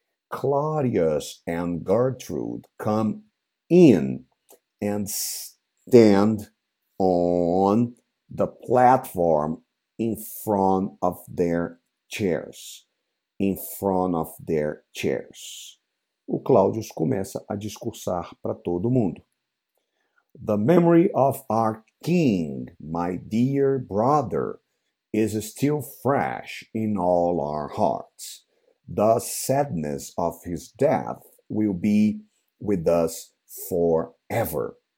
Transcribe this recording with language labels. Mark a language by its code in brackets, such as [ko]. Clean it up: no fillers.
[en] Claudius and Gertrude come in and stand on the platform in front of their chairs. [pt] O Claudius começa a discursar para todo mundo. [en] The memory of our king, my dear brother, is still fresh in all our hearts. The sadness of his death will be with us forever.